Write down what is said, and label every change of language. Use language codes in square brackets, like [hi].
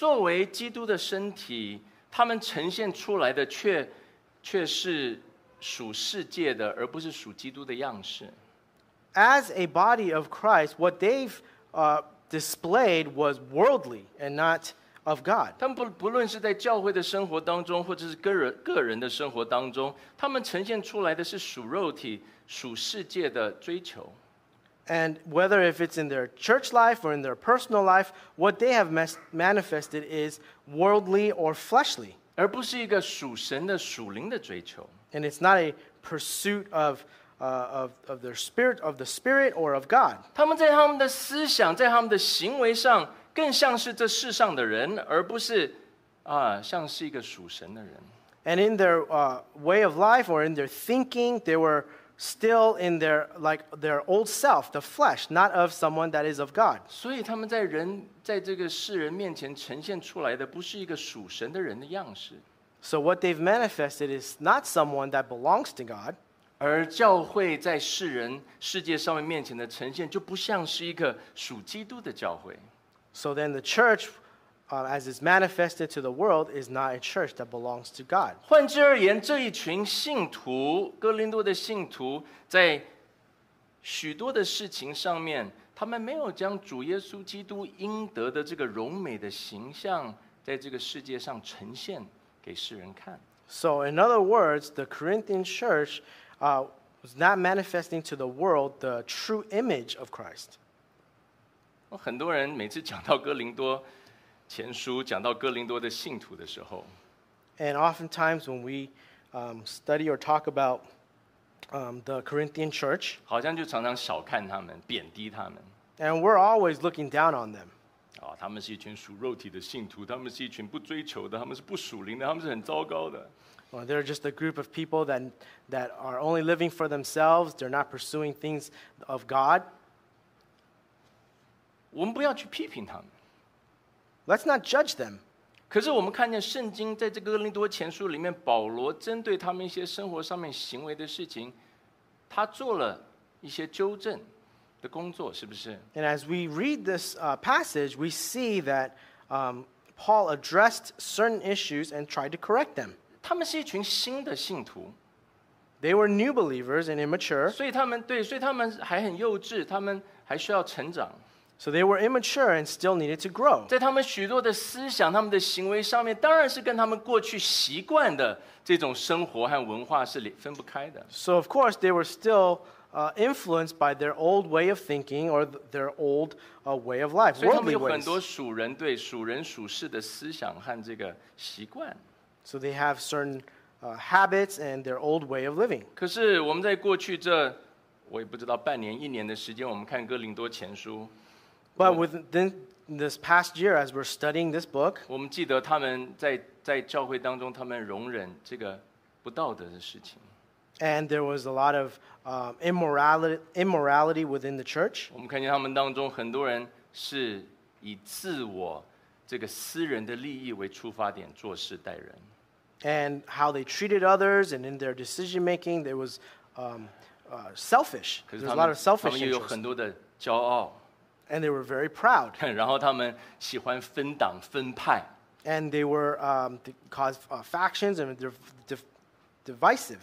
[zh] 作为基督的身体，他们呈现出来的却是属世界的，而不是属基督的样式。 [en] As a body of Christ, what they've displayed was worldly and not of God. [zh] 他们 不论是在教会的生活当中，或者是个人的生活当中，他们呈现出来的是属肉体、属世界的追求。 [en] And whether if it's in their church life or in their personal life, what they have manifested is worldly or fleshly. [zh] 而不是一个属神的、属灵的追求。 [en] And it's not a pursuit of their spirit, of the spirit or of God. [zh] 他们在他们的思想、在他们的行为上更像是这世上的人，而不是像是一个属神的人。 [en] And in their way of life or in their thinking, they were still in their, like, their old self, the flesh, not of someone that is of God. [zh] 所以他们在人，在这个世人面前呈现出来的不是一个属神的人的样式。 [en] So what they've manifested is not someone that belongs to God. [zh] 而教会在世人世界上面前的呈现就不像是一个属基督的教会。 [en] So then the church, as it's manifested to the world, is not a church that belongs to God. [zh] 换之而言，这一群信徒，哥林多的信徒，在许多的事情上面，他们没有将主耶稣基督应得的这个荣美的形象在这个世界上呈现给世人看。 [en] So in other words, the Corinthian church was not manifesting to the world the true image of Christ. [zh] 很多人每次讲到哥林多前书，讲到哥林多的信徒的时候， [en] and oftentimes when we study or talk about the Corinthian church, [zh] 好像就常常小看他们，贬低他们。 [en] And we're always looking down on them. [zh] 哦，他们是一群属肉体的信徒，他们是一群不追求的，他们是不属灵的，他们是很糟糕的。 [en] Well, they're just a group of people that are only living for themselves. They're not pursuing things of God. [zh] 我们不要去批评他们。 [en] Let's not judge them. [zh] 可是我们看见圣经在这个哥林多前书里面，保罗针对他们一些生活上面行为的事情，他做了一些纠正的工作，是不是？ [en] And as we read this passage, we see that Paul addressed certain issues and tried to correct them. [zh] 他们是一群新的信徒。 [en] They were new believers and immature. [zh] 所以他们，对，所以他们还很幼稚，他们还需要成长。 [en] So they were immature and still needed to grow. [zh] 在他们许多的思想，他们的行为上面，当然是跟他们过去习惯的这种生活和文化是分不开的。 [en] So of course, they were still influenced by their old way of thinking or their old way of life, worldly ways. [zh] 所以他们有很多属人，对，属人属事的思想和这个习惯。 [en] So they have certain habits and their old way of living. [zh] 可是我们在过去这，我也不知道半年、一年的时间，我们看哥林多前书。 [en] But within this past year, as we're studying this book, [zh] 我们记得他们在教会当中，他们容忍这个不道德的事情。 [en] And there was a lot of immorality within the church. [zh] 我们看见他们当中很多人是以自我这个私人的利益为出发点做事待人。 [en] And how they treated others and in their decision making, there was selfish. There was a lot of selfish interest. [zh] 他们又有很多的骄傲。 [en] And they were very proud. [zh] 然后他们喜欢分党分派。 [en] And they were caused factions and divisive.